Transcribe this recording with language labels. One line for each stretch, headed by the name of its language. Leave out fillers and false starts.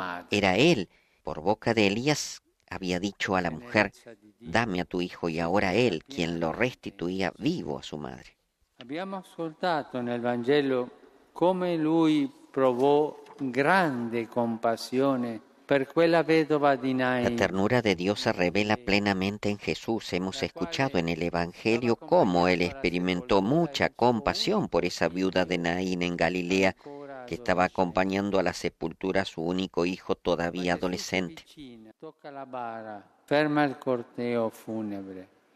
Spanish: Era Él, por boca de Elías, había dicho a la mujer, dame a tu hijo, y ahora Él, quien lo restituía vivo a su madre.
Italian: Abbiamo ascoltato nel Vangelo come lui provò grande compassione.
Spanish: La ternura de Dios se revela plenamente en Jesús. Hemos escuchado en el Evangelio cómo Él experimentó mucha compasión por esa viuda de Naín en Galilea que estaba acompañando a la sepultura a su único hijo todavía adolescente. Toca la barra, ferma el corteo fúnebre.